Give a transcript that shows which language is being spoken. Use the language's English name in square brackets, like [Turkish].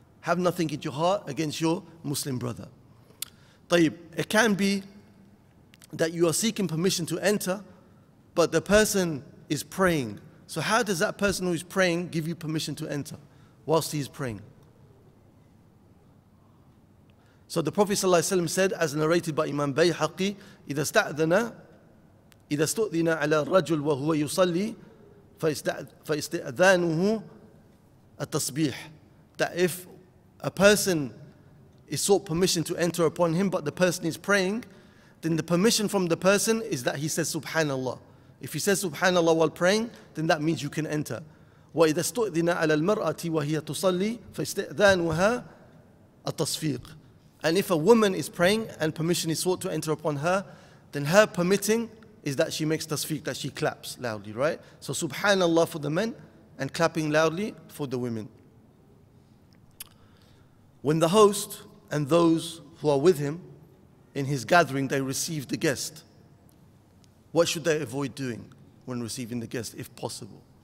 [English] Have nothing in your heart against your Muslim brother. Tayyib, it can be that you are seeking permission to enter, but the person is praying. So how does that person who is praying give you permission to enter whilst he is praying? So the Prophet ﷺ said, as narrated by Imam Bayhaqi, [Arabic] إِذَا اسْتَأْذَنَ إذا استؤذن على الرجل وهو يصلي فاستئذانه التصبيح. [English] That if a person is sought permission to enter upon him, but the person is praying, then the permission from the person is that he says Subhanallah. If he says Subhanallah while praying, then that means you can enter. [Arabic] وإذا استؤذن على المرأة وهي تصلي فاستئذانها التصفيق. [English] And if a woman is praying and permission is sought to enter upon her, then her permitting is that she makes tasfiq, that she claps loudly, right? So Subhanallah for the men and clapping loudly for the women. When the host and those who are with him in his gathering, they receive the guest, what should they avoid doing when receiving the guest, if possible?